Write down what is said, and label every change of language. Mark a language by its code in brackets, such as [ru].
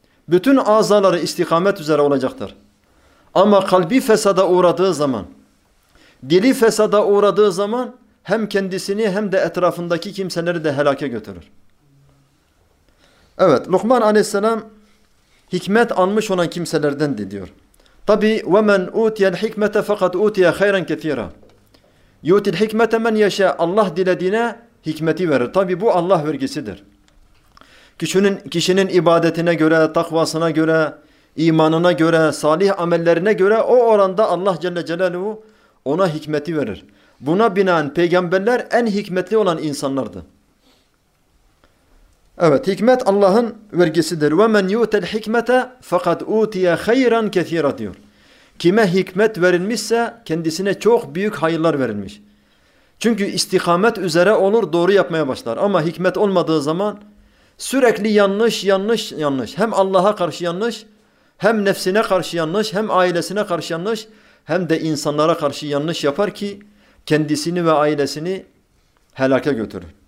[tr] Bütün azaları istikamet üzere olacaktır. Ama kalbi fesada uğradığı zaman, dili fesada uğradığı zaman hem kendisini hem de etrafındaki kimseleri de helake götürür. Evet, Lokman aleyhisselam hikmet almış olan kimselerden diyor. Tabi [ar] وَمَنْ اُوْتِيَ الْحِكْمَةَ فَقَدْ اُوْتِيَ خَيْرًا كَثِيرًا يُوْتِ الْحِكْمَةَ مَنْ يَشَى [tr] Allah dilediğine hikmeti verir. Tabi bu Allah vergisidir. Kişinin ibadetine göre, takvasına göre, imanına göre, salih amellerine göre o oranda Allah Celle Celaluhu ona hikmeti verir. Buna binaen peygamberler en hikmetli olan insanlardı. Evet, hikmet Allah'ın vergisidir. [ar] وَمَنْ يُؤْتَ الْحِكْمَةَ فَقَدْ اُوْتِيَ خَيْرًا كَثِيرًا [tr] diyor. Kime hikmet verilmişse kendisine çok büyük hayırlar verilmiş. Çünkü istikamet üzere olur, doğru yapmaya başlar. Ama hikmet olmadığı zaman sürekli yanlış. Hem Allah'a karşı yanlış, hem nefsine karşı yanlış, hem ailesine karşı yanlış, hem de insanlara karşı yanlış yapar ki kendisini ve ailesini helake götürür.